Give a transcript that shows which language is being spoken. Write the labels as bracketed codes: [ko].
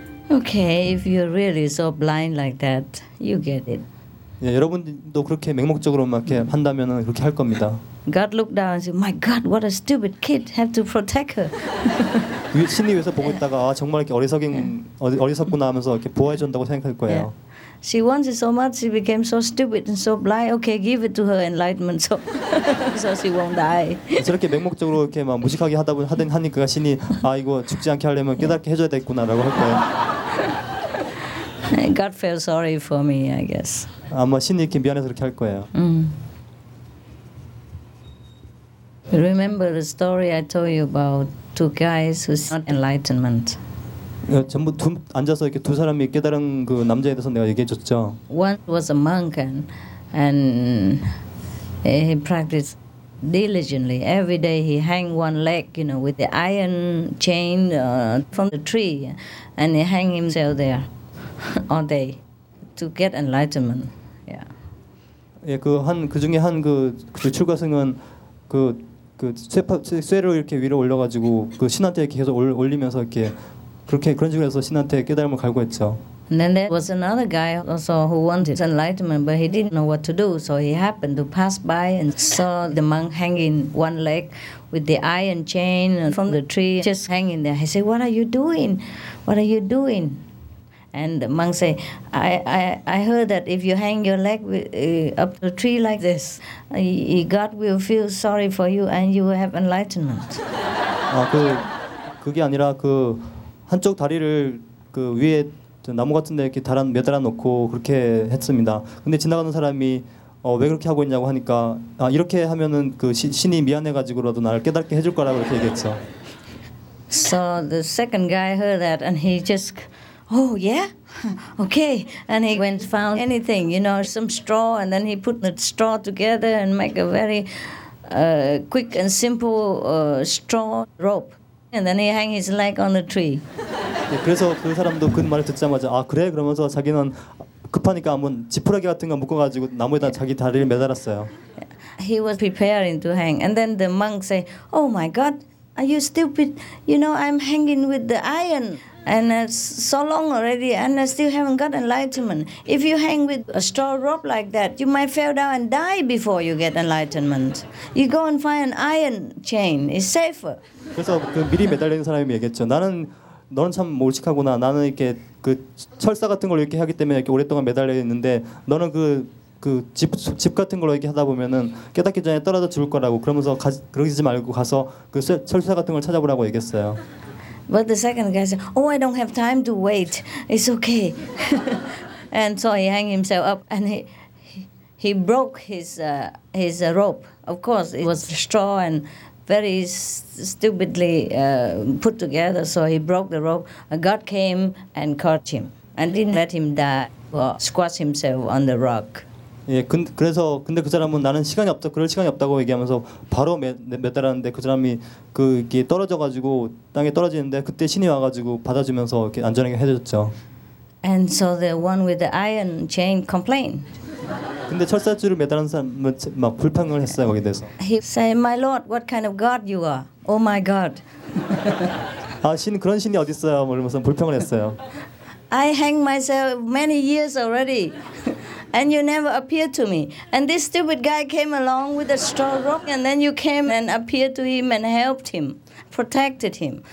[en] Okay, if you're really so blind like that, you get it. [ko] 예, 여러분도 그렇게 맹목적으로만 이렇게 한다면 그렇게 할 겁니다. [en] God looked down and said, "My God, what a stupid kid! Have to protect her." [ko] 신이 위에서 보고 있다가 아, 정말 이렇게 어리석구나 하면서 이렇게 보호해 준다고 생각할 거예요. [en] Yeah. She wants it so much, she became so stupid and so blind. Okay, give it to her enlightenment, so so she won't die. [ko] 저렇게 맹목적으로 이렇게 막 무식하게 하니까 신이 아 이거 죽지 않게 하려면 깨닫게 해줘야 되겠구나라고 할 거예요. [en] God feels sorry for me, I guess. [ko] 아마 신이 이렇게 미안해서 그렇게 할 거예요. [en] Remember the story I told you about two guys who sought enlightenment. [ko] 전부 두 앉아서 이렇게 두 사람이 깨달은 그 남자에 대해서 내가 얘기해 줬죠. [en] One was a monk and he practiced diligently. Every day he hang one leg, you know, with the iron chain from the tree, and he hang himself there all day to get enlightenment. Yeah. [ko] 예, 그 한 그 중에 한 그 출가생은 그 그 쇠로 이렇게 위로 올려가지고 그 신한테 계속 올리면서 이렇게 그렇게 그런 식으로 해서 신한테 깨달음을 갈구했죠. [en] And then there was another guy also who wanted enlightenment, but he didn't know what to do. So he happened to pass by and saw the monk hanging one leg with the iron chain from the tree, just hanging there. He said, "What are you doing? What are you doing?" And the monk said, I heard that if you hang your leg up the tree like this, God will feel sorry for you and you will have enlightenment." [ko] 아, 그게 아니라 그 한쪽 다리를 그 위에 나무 같은데 이렇게 달한 몇 달아 놓고 그렇게 했습니다. 근데 지나가는 사람이 왜 그렇게 하고 있냐고 하니까 이렇게 하면은 그 신이 미안해 가지고라도 나를 깨닫게 해줄 거라고 그렇게 얘기했죠. [en] So the second guy heard that and he just, oh yeah, okay, and he went found anything, you know, some straw, and then he put the straw together and make a very quick and simple straw rope, and then he hang his leg on the tree. [ko] 네, 그래서 그 사람도 그 말을 듣자마자 아 그래 그러면서 자기는 급하니까 한번 지푸라기 같은 거 묶어가지고 나무에다 자기 다리를 매달았어요. [en] He was preparing to hang, and then the monk say, "Oh my God, are you stupid? You know I'm hanging with the iron, and it's so long already, and I still haven't got enlightenment. If you hang with a straw rope like that, you might fall down and die before you get enlightenment. You go and find an iron chain; it's safer." [ko] 그래서 그 미리 매달린 사람이 얘기했죠. 나는 너는 참 몰식하구나. 나는 이렇게 그 철사 같은 걸 이렇게 하기 때문에 이렇게 오랫동안 매달려 있는데 너는 그 그 집 같은 걸 이렇게 하다 보면은 깨닫기 전에 떨어져 죽을 거라고 그러면서 그러지 말고 가서 그 철사 같은 걸 찾아보라고 얘기했어요. [en] But the second guy said, "Oh, I don't have time to wait. It's okay." And so he hang himself up and he broke his rope. Of course, it was straw and very stupidly put together, so he broke the rope. A god came and caught him and didn't let him die or squash himself on the rock. [ko] 예, 그래서 근데 그 사람은 나는 시간이 없다, 그럴 시간이 없다고 얘기하면서 바로 매달았는데 그 사람이 그 이게 떨어져가지고 땅에 떨어지는데 그때 신이 와가지고 받아주면서 이렇게 안전하게 해줬죠. [en] And so the one with the iron chain complained. [ko] 근데 철사줄을 매달은 사람은 막 불평을 했어요 거기 대해서. [en] He said, "My Lord, what kind of God you are? Oh my God." [ko] 아 신 그런 신이 어디 있어요? 이러면서 불평을 했어요. [en] I hang myself many years already, and you never appeared to me. And this stupid guy came along with a straw rope, and then you came and appeared to him and helped him, protected him.